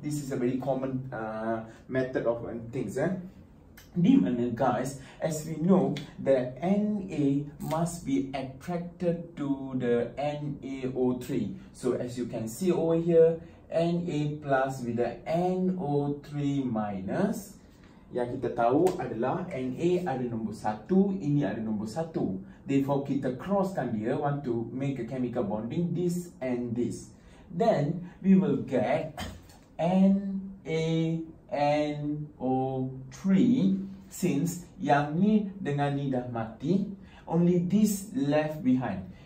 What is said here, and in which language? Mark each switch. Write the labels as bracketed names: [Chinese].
[English] This is a very common method of things. [Malay] Di mana [English] guys, as we know, the Na must be attracted to the NaO3. So as you can see over here, Na plus with the NO3 minus. [Malay] Yang kita tahu adalah Na ada nombor 1, ini ada nombor 1. [English] Therefore, [Malay] kita crosskan dia, [English] want to make a chemical bonding, this and this. Then, we will get NaNO3. [Malay] Since yang ni dengan ni dah mati, [English] only this left behind.